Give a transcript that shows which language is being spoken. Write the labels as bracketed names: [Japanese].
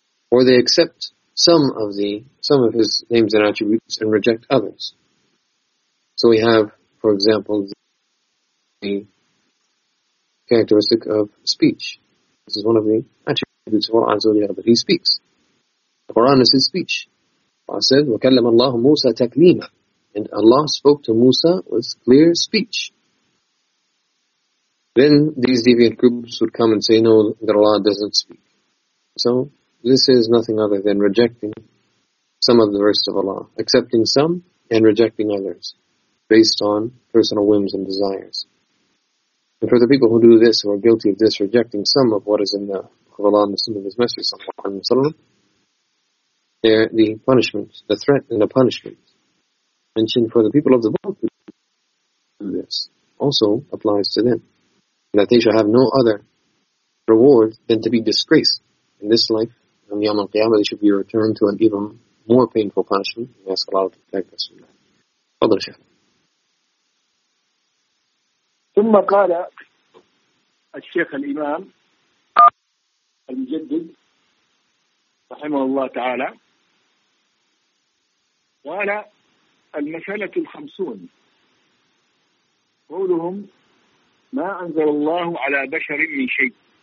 [English] Or they accept some of His names and attributes and reject others. So we have, for example, the characteristic of speech. This is one of the attributes of Allah Azza wa Jalla, but He speaks. The Quran is His speech. [Arabic] Allah said, وَكَلَّمَ اللَّهُ مُوسَى تَكْلِيمًا. [English] And Allah spoke to Musa with clear speech. Then these deviant groups would come and say, no, that Allah doesn't speak. So this is nothing other than rejecting some of the verses of Allah, accepting some and rejecting others, based on personal whims and desires. And for the people who do this, who are guilty of this, rejecting some of what is in the book of Allah and the Sunnah of His Messenger, sallallahu alaihi wasallam, there the punishment, the threat and the punishment mentioned for the people of the book who do this also applies to them, and that they shall have no other reward than to be disgraced in this life. On Yawm al-Qiyamah, they should be returned to an even more painful punishment. We ask Allah to protect us from that. [Arabic] Fadl Shaykh. ثم قال الشيخ الإمام المجدد رحمه الله تعالى وعلى المسألة الخمسون قولهم ما أنزل الله على بشر من شيء.